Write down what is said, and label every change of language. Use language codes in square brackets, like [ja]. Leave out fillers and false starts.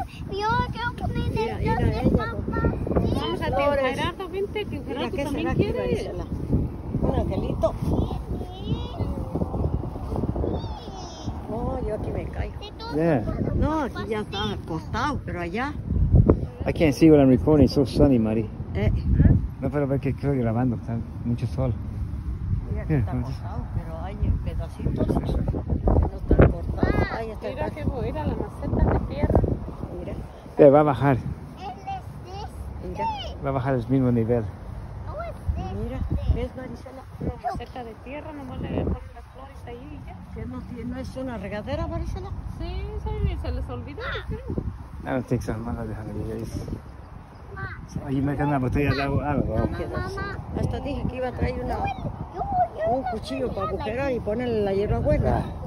[es] Yo quiero poner esto de papá. Vamos a tener Gerardo, vente, que Gerardo también quiere. Un angelito. No, yo aquí me caigo. [en] Yeah. [es] No, aquí ya está acostado, pero allá. [en] I can't see what I'm recording, it's so sunny, Mari. ¿Eh? [es] No puedo ver que estoy grabando, está mucho sol. Mira, está cortado, pero hay pedacitos. No está cortado. Mira que voy a ir a la maceta de tierra. Mira. Va a bajar. Él es este. Va a bajar al mismo nivel. Mira, ¿ves, Marisela? La maceta de tierra, nomás le dejamos las flores ahí y ya. ¿Qué no tiene? ¿No es una regadera, Marisela? Sí, se les olvidó. [en] I don't think so. I'm gonna have to do this. Are you making that potato? I don't know. [es] Hasta dije que iba a traer una un cuchillo para agujera y ponerle la hierba buena.